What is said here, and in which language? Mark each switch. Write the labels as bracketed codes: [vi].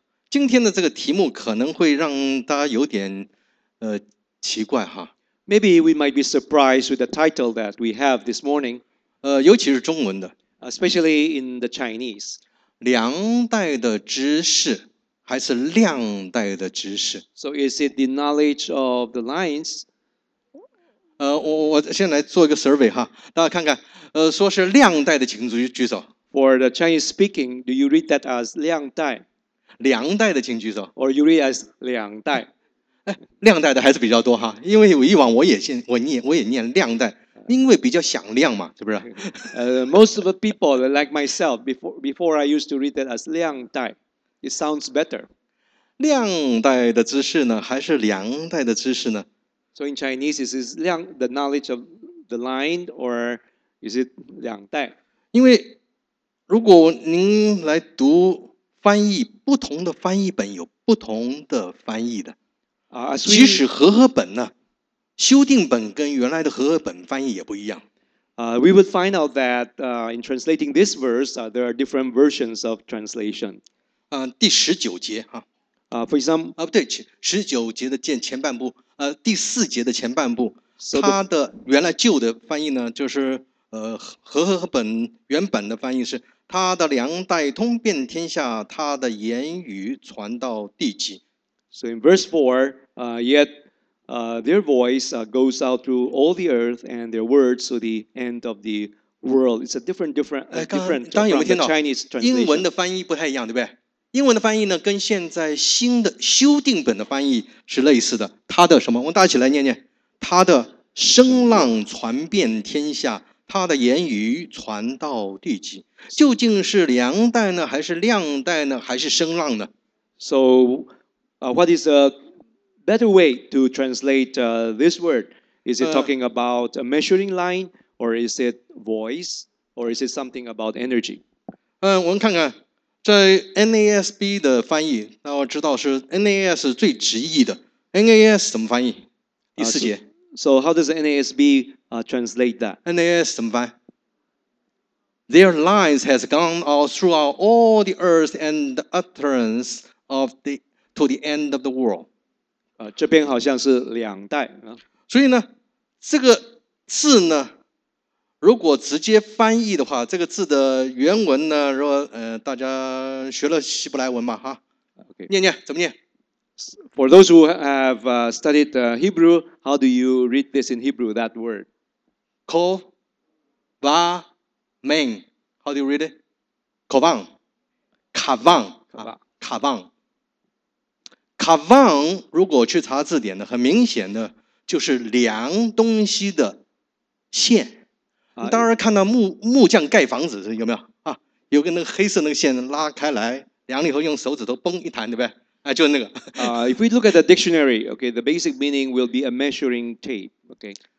[zh] 今天的这个题目可能会让大家有点奇怪哈。 [en] Maybe we might be surprised with the title that we have this morning. [zh] 尤其是中文的。 [en] Especially in the Chinese. [zh] 两代的知识还是量代的知识。 [en] So is it the knowledge of the lines? [zh] 我先来做一个 survey 哈，大家看看，说是量代的请举手。 [en] For the Chinese speaking, do you read that as 量代？ [zh] 量代的请举手。 [en] Or you read as 两代？ [zh] 量代的还是比较多哈，因为以往我也念量代，因为比较响亮嘛，是不是？ [en] Most of the people like myself, before I used to read that as 量代。 It sounds better. [zh] 量代的知识呢，还是量代的知识呢 [en] ？So in Chinese, is it 量 the knowledge of the line, or is it 两代？ [zh] 因为如果您来读翻译，不同的翻译本有不同的翻译的。即使和合本呢，修订本跟原来的和合本翻译也不一样。 [en] We would find out that in translating this verse, there are different versions of translation. [zh] 第十九节哈， [en] for example, [zh] 不对，十九节的前半部，第四节的前半部， [en] so、 [zh] 它的原来旧的翻译呢，就是和合本原本的翻译是，他的粮代通遍天下，他的言语传到地极。 [en] So in verse 4, yet their voice goes out through all the earth and their words to the end of the world. It's a different from the Chinese translation. [zh] 英文的翻译不太一样，对不对？英文的翻译呢，跟现在新的修订本的翻译是类似的。它的什么？我们大家一起来念念。它的声浪传遍天下，它的言语传到地极。究竟是量代呢，还是量代呢，还是声浪呢 [en] ？So, what is a better way to translate this word? Is it talking about a measuring line, or is it voice, or is it something about energy? [zh] 我们看看。在 NASB 的翻译，那我知道是 NAS 最直译的。 NAS 怎么翻译？第四节。 [en] So how does NASB translate that? NAS [zh] 怎么翻 [en] ？Their lines has gone out throughout all the earth and the utterance of the to the end of the world。 [zh] 这边好像是两代所以呢，这个字呢。如果直接翻译的话，这个字的原文呢？如果大家学了希伯来文嘛，哈， [en] okay. [zh] 念念怎么念 [en] ？For those who have studied Hebrew, how do you read this in Hebrew? That word, kavan. How do you read it? [he] Kavan, kavan, kavan, kavan. [zh] 如果去查字典呢，很明显的就是量东西的线。当然看到 木匠盖房子有没有啊？有个那个黑色那个线拉开来，量了以后用手指头嘣一弹，对不对？就那个。 [en] If we look at the dictionary, okay, the basic meaning will be a measuring tape, okay.